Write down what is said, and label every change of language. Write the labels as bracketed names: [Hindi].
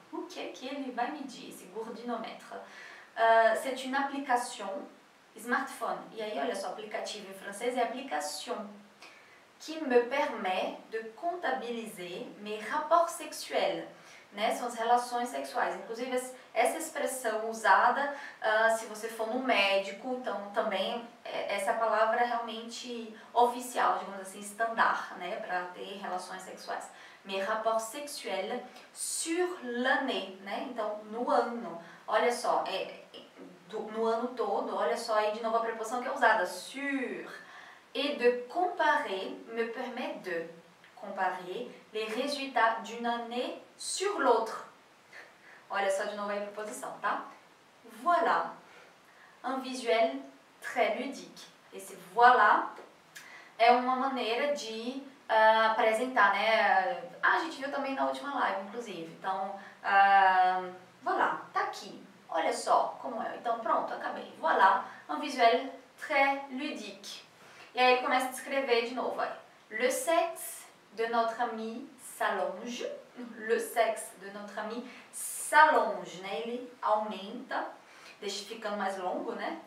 [Portuguese] O que é que ele vai medir, esse gourdinomètre? [French] C'est une application. [Portuguese] Smartphone. E aí, olha só, aplicativo em francês é application. [French] Qui me permet de comptabiliser mes rapports sexuels. [Portuguese] Né? São as relações sexuais. Inclusive, essa expressão usada, se você for no médico, então também essa palavra é realmente oficial, digamos assim, standard, né? Para ter relações sexuais. [French] Mes rapports sexuels sur l'année. [Portuguese] Né? Então, no ano. Olha só, no ano todo, olha só aí de novo a preposição que é usada, sur. [French] Et de comparer me permet de comparer les résultats d'une année sur l'autre. [Portuguese] Olha só de novo a preposição, tá? Voilà. [French] Un visuel très ludique. [Portuguese] Esse voilà é uma maneira de apresentar, né? A gente viu também na última live, inclusive. Então, voilà, tá aqui. Olha só como é. Então, pronto, acabei. [French] Voilà, un visuel très ludique. [Portuguese] E aí ele começa a descrever de novo. Olha. [French] Le sexe de notre ami s'allonge. Le sexe de notre ami s'allonge. [Portuguese] Né? Ele aumenta, deixa ficando mais longo, né?